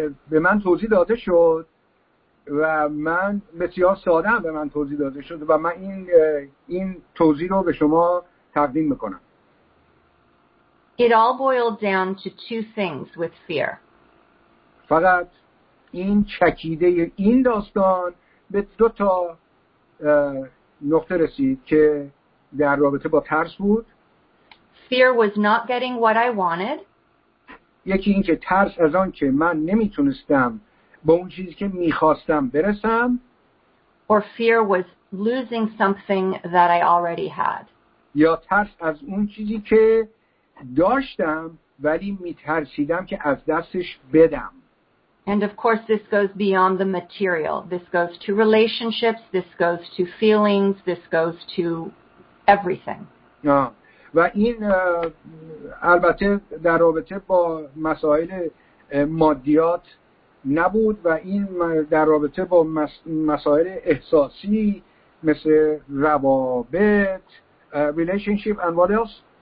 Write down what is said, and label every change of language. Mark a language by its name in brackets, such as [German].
[Persian] به من توضیح داده شد و من بسیار ساده به من توضیح داده شده و من این توضیح رو به شما تقدیم میکنم. [English] It all boiled down to two things with fear. [Persian] فقط این چکیده این داستان به دو تا نقطه رسید که در رابطه با ترس بود. [English] Fear was not getting what I wanted. [Persian] یکی این که ترس از آن که من نمیتونستم به اون چیزی که می‌خواستم برسم. [English] Or fear was losing something that I already had. [Persian] یا ترس از اون چیزی که داشتم ولی می‌ترسیدم که از دستش بدم. [English] And of course this goes beyond the material. This goes to relationships, this goes to feelings, this goes to everything. [Persian] و این البته در رابطه با مسائل مادیات نبود و این در رابطه با مسائل احساسی مثل روابط [English] relationship and what else